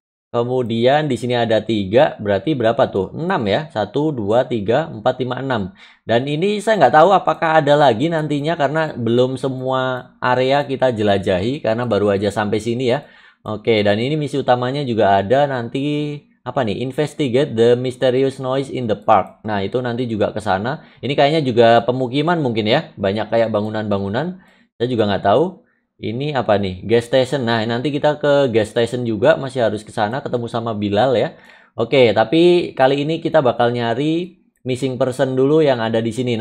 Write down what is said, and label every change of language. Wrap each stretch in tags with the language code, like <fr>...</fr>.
<id>Kemudian di sini ada 3, berarti berapa tuh? 6 ya. 1 2 3 4 5 6. Dan ini saya nggak tahu apakah ada lagi nantinya karena belum semua area kita jelajahi karena baru aja sampai sini ya. Oke, dan ini misi utamanya juga ada nanti apa nih?</id> <en>Investigate the mysterious noise in the park.</en> <id>Nah, itu nanti juga ke sana. Ini kayaknya juga pemukiman mungkin ya. Banyak kayak bangunan-bangunan. Saya juga nggak tahu. Ini apa nih? Gas station. Nah, nanti kita ke gas station juga, masih harus ke sana ketemu sama Bilal ya. Oke, tapi kali ini kita bakal nyari missing person dulu yang ada di sini.</id>